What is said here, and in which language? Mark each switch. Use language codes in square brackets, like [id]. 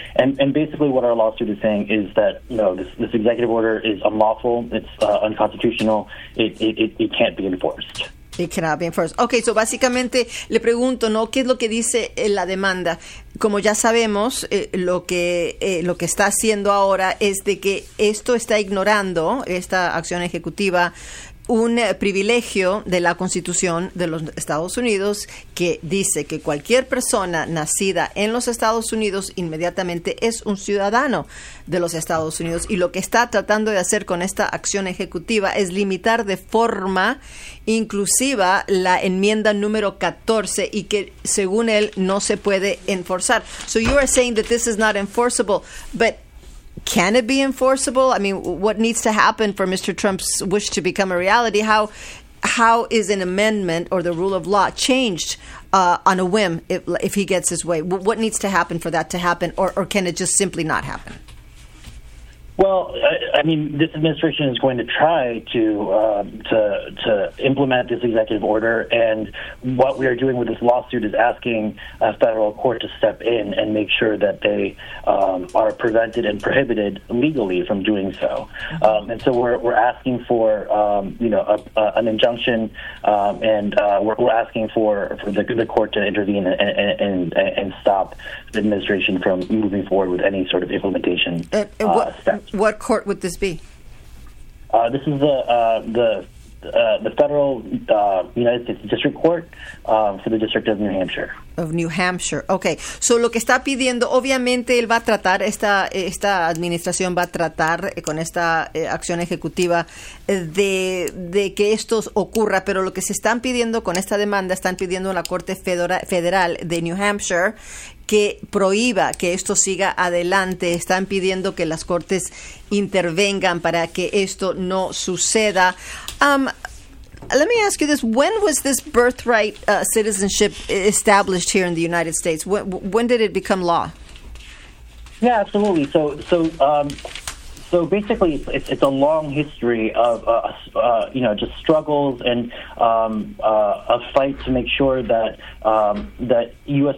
[en] And basically what our lawsuit is saying is that, you know, this executive order is unlawful, it's unconstitutional, it can't be enforced. It cannot be enforced. Okay, so [es] básicamente le pregunto, ¿no? ¿Qué es lo que dice la demanda? Como ya sabemos, lo que está haciendo ahora es de que esto está ignorando esta acción ejecutiva un privilegio de la Constitución de los Estados Unidos que dice que cualquier persona nacida en los Estados Unidos inmediatamente es un ciudadano de los Estados Unidos. Y lo que está tratando de hacer con esta acción ejecutiva es limitar de forma inclusiva la enmienda número 14 y que, según él, no se puede enforzar. [en] So you are saying that this is not enforceable, but can it be enforceable? I mean, what needs to happen for Mr. Trump's wish to become a reality? How is an amendment or the rule of law changed on a whim if he gets his way? What needs to happen for that to happen, or can it just simply not happen? Well, I mean, this administration is going to try to implement this executive order, and what we are doing with this lawsuit is asking a federal court to step in and make sure that they are prevented and prohibited legally from doing so. Mm-hmm. And so we're asking for an injunction, we're asking for the court to intervene and stop the administration from moving forward with any sort of implementation steps. What court would this be? This is the federal United States District Court for the District of New Hampshire. Of New Hampshire. Okay. [es] So lo que está pidiendo, obviamente él va a tratar, esta administración va a tratar con esta acción ejecutiva de que esto ocurra, pero lo que se están pidiendo con esta demanda, están pidiendo a la Corte Federal de New Hampshire que prohíba que esto siga adelante. Están pidiendo que las cortes intervengan para que esto no suceda. [en] Let me ask you this. When was this birthright citizenship established here in the United States? When did it become law? Yeah, absolutely. So basically, it's a long history of just struggles and a fight to make sure that that U.S.